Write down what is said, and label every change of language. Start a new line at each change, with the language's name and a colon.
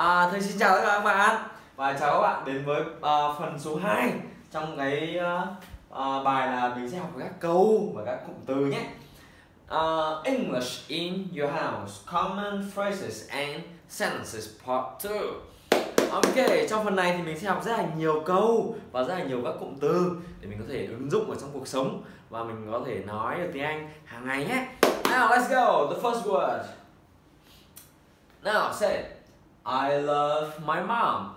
Vietnamese: Thầy xin chào tất cả các bạn và chào các bạn đến với phần số 2 trong cái bài là mình sẽ học các câu và các cụm từ nhé.
English: English in your house, common phrases and sentences part 2.
Vietnamese: Ok, trong phần này thì mình sẽ học rất là nhiều câu và rất là nhiều các cụm từ để mình có thể ứng dụng vào trong cuộc sống và mình có thể nói được tiếng Anh hàng ngày nhé.
English: Now let's go, the first word. Now say, I love my mom.